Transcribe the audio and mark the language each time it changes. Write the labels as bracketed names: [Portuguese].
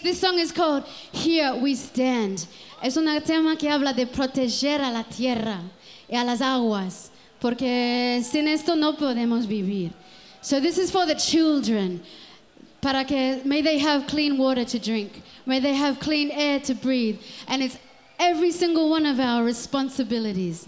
[English] This song is called Here We Stand. [Spanish] Es un tema que habla de proteger a la tierra y a las aguas, porque sin esto no podemos vivir. [English] So this is for the children. [Spanish] Para que, [English] may they have clean water to drink. May they have clean air to breathe. And it's every single one of our responsibilities.